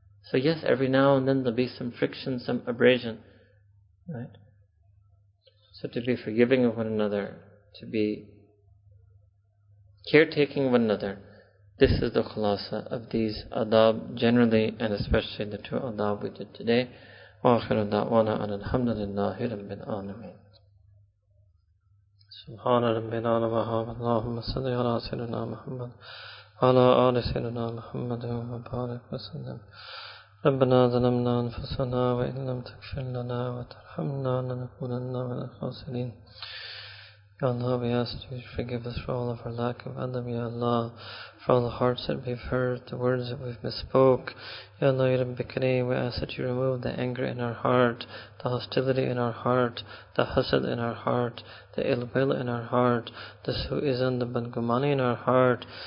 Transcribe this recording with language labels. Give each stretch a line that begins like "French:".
English: So yes, every now and then there'll be some friction, some abrasion, right? So to be forgiving of one another, to be caretaking one another, this is the khulasa of these adab generally, and especially the two adab we did today.
Arabic: وآخر دعوانا أن الحمد لله رب العالمين سبحان رب العالمين اللهم صل على سيدنا محمد وعلى آل سيدنا محمد وبارك وسلم ربنا ظلمنا أنفسنا وإن لم تغفر لنا وترحمنا لنكونن من الخاسرين يا الله
English: we ask you to forgive us for all of our lack of adab,
Arabic: يا الله
English: from the hearts that we've hurt, the words that we've misspoke.
Arabic: Ya Allah, Ya Rabbi Kareem,
English: we ask that you remove the anger in our heart, the hostility in our heart, the hasad in our heart, the ill will in our heart, the su'izan, the bangumani in our heart.